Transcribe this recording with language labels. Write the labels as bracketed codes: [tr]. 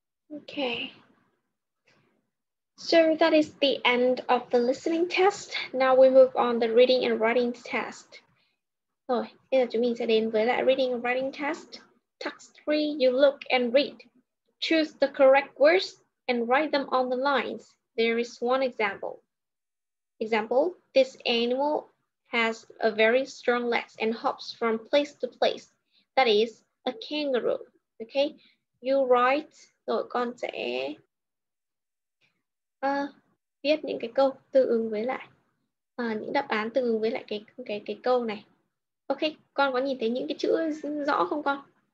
[en] Okay. So that is the end of the listening test. Now we move on the reading and writing test. [vi] Rồi, bây giờ chúng mình sẽ đến với lại [en] reading and writing test. Task 3, you look and read. Choose the correct words and write them on the lines. There is one example. Example, this animal has a very strong legs and hops from place to place. That is a kangaroo. Okay, you write. [vi] Rồi con sẽ viết những cái câu tương ứng với lại những đáp án tương ứng với lại cái câu này. Ok, con có nhìn thấy những cái chữ rõ không con?